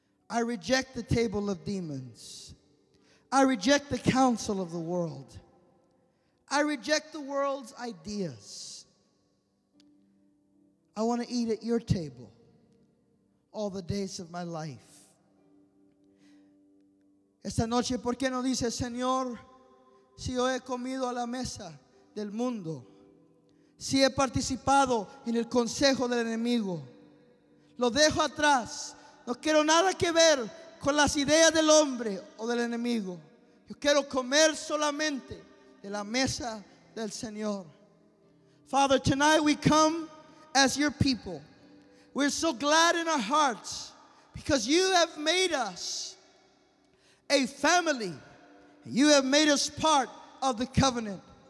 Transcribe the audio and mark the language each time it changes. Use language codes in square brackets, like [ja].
[en] I reject the table of demons. I reject the counsel of the world. I reject the world's ideas. I want to eat at your table all the days of my life. [es] Esta noche, ¿por qué no dices, Señor, si yo he comido a la mesa del mundo, si he participado en el consejo del enemigo? Lo dejo atrás. No quiero nada que ver con las ideas del hombre o del enemigo. Yo quiero comer solamente de la mesa del Señor. [en] Father, tonight we come as your people. We're so glad in our hearts because you have made us a family. You have made us part of the covenant.